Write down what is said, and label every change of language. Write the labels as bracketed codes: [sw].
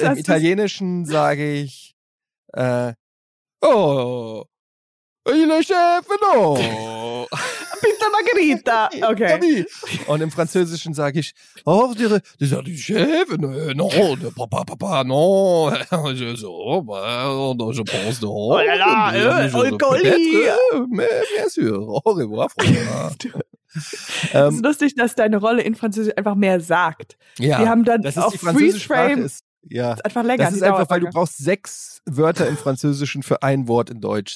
[de] im Italienischen sage ich, oh, [it] il Chef, no. Pizza Margherita, okay. [de] Und im Französischen sage ich, oh, der Chef, [fr] non, papa, papa, non, je pense, non. Oh là là, alcoolie. Mais bien sûr, au revoir, François. [de] Es ist lustig, dass deine Rolle in Französisch einfach mehr sagt. Ja, wir haben dann auf Freeze-Frame. Ja, ist einfach länger, das ist einfach, weil du brauchst 6 Wörter im Französischen für ein Wort in Deutsch.